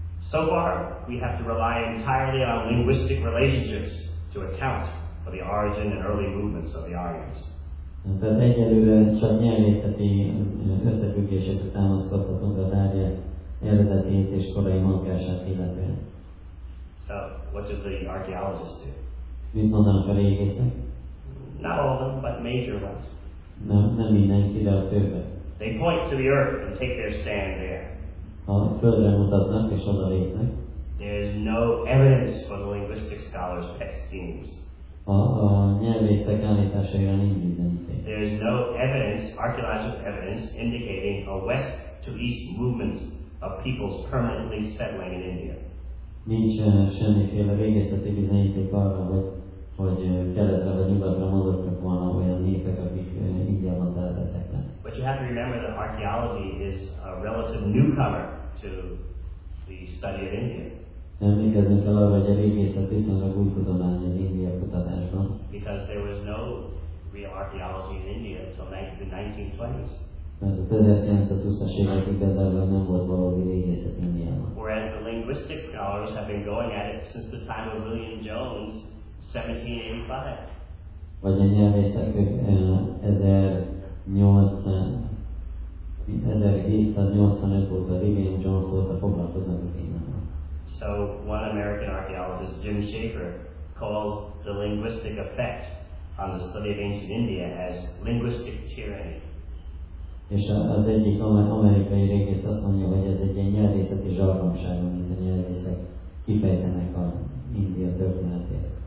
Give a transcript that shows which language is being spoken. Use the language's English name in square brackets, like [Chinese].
[English] So far, we have to rely entirely on linguistic relationships to account for the origin and early movements of the Aryans. [Hungarian] Tehát egyelőre csak nyelvészeti összefüggéseket támaszkodhatunk az Árya eredetét és korai mozgását illetően. [English] So, what do the archaeologists do? [Hungarian] Mit mondanak a régészek? [English] Not all of them, but major ones. [Hungarian] Nem mindenki, de a többek. [English] They point to the earth and take their stand there. [Hungarian] A földre mutatnak és oda lépnek. [English] There is no evidence for the linguistic scholars' pet schemes. [Hungarian] A nyelvészek állításaira nincs bizonyíték. [English] There is no evidence, archaeological evidence, indicating a west to east movement of peoples permanently settling in India. [Hungarian] Nincs semmiféle régészeti bizonyíték arra, hogy keletre vagy nyugatra mozogtak volna olyan népek, akik Indiában telepedtek. [English] But you have to remember that archaeology is a relative newcomer to the study of India. [Hungarian] Emlékezni kell arra, hogy a régészet viszonylag új tudomány az India kutatásban. [English] Because there was no real archaeology in India until the 1920s. [Hungarian] Mert a 1920-as évek igazából nem volt valódi régészet Indiában. [English] Whereas the linguistic scholars have been going at it since the time of William Jones, 1785. [Hungarian] Vagy a nyelvészek 1785 óta William Jones óta foglalkoznak a témában. [English] So one American archaeologist, Jim Schaefer, calls the linguistic effect on the study of ancient India as linguistic tyranny. [Hungarian] És az egyik amerikai régész azt mondja, hogy ez egy nyelvészeti zsarnokság, amit a nyelvészek kifejtenek az India történetét.